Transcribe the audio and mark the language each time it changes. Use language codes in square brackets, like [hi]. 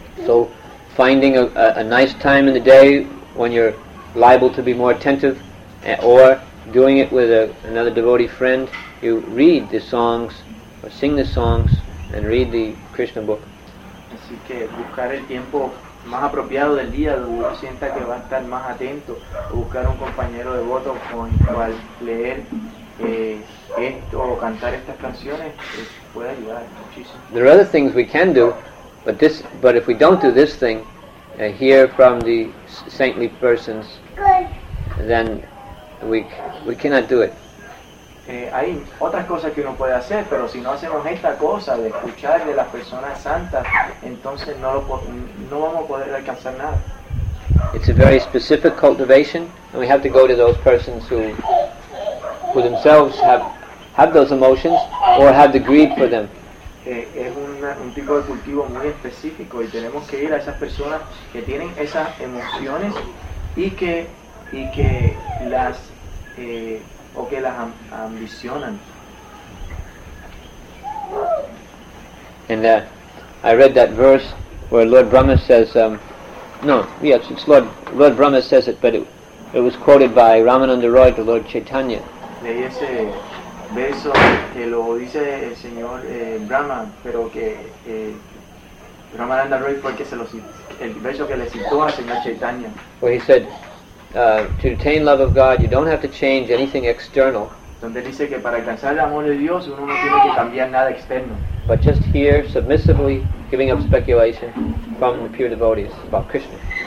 [en] So, finding a nice time in the day when you're liable to be more attentive, or doing it with another devotee friend, you read the songs, or sing the songs, and read the Krishna book. [es] Así que buscar el tiempo más apropiado del día, donde uno sienta que va a estar más atento, buscar un compañero devoto con el cual leer esto o cantar estas canciones puede ayudar muchísimo. [en] There are other things we can do, but if we don't do this thing, hear from the saintly persons, then we cannot do it. [es] Hay otras cosas que uno puede hacer, pero si no hacemos esta cosa de escuchar de las personas santas, entonces no vamos a poder alcanzar nada. [en] It's a very specific cultivation, and we have to go to those persons who themselves have those emotions or have the greed for them. [es] Es un tipo de cultivo muy específico y tenemos que ir a esas personas que tienen esas emociones y que las o que las ambicionan. [en] And I read that verse where Lord Brahma says, it's Lord Brahma says it, but it was quoted by Ramananda Roy to Lord Chaitanya. [es] Leí ese verso que lo dice el señor Brahma, pero que Ramananda Roy fue el verso que le citó al señor Chaitanya. [en] Where he said, to attain love of God, you don't have to change anything external. [es] Donde dice que para alcanzar el amor de Dios, uno no tiene que cambiar nada externo. [en] But just hear submissively, giving up speculation from the pure devotees about Krishna.